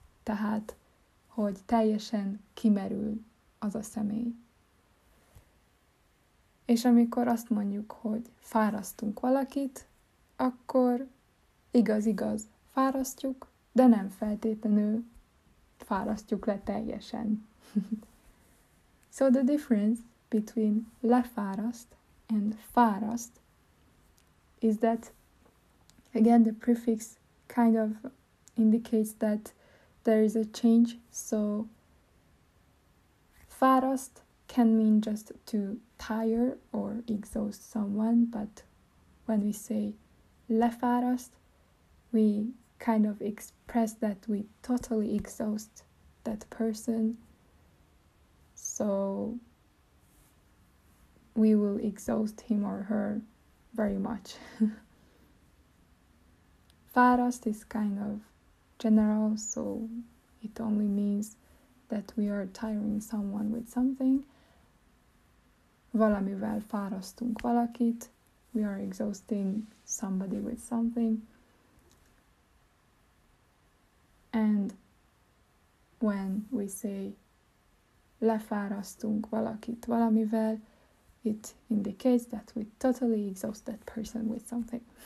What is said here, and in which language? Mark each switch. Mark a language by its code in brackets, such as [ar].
[hu] Tehát, hogy teljesen kimerül az a személy. És amikor azt mondjuk, hogy fárasztunk valakit, akkor igaz-igaz fárasztjuk, de nem feltétlenül fárasztjuk le teljesen. [en] So the difference between lefáraszt and fáraszt is that, again, the prefix kind of indicates that there is a change, so fáraszt can mean just to tire or exhaust someone, but when we say lefáraszt, we kind of express that we totally exhaust that person, so we will exhaust him or her very much. Fáraszt is kind of general, so it only means that we are tiring someone with something. [hu] Valamivel fárasztunk valakit. [en] We are exhausting somebody with something. And when we say [hu] lefárasztunk valakit valamivel, [en] it indicates that we totally exhaust that person with something.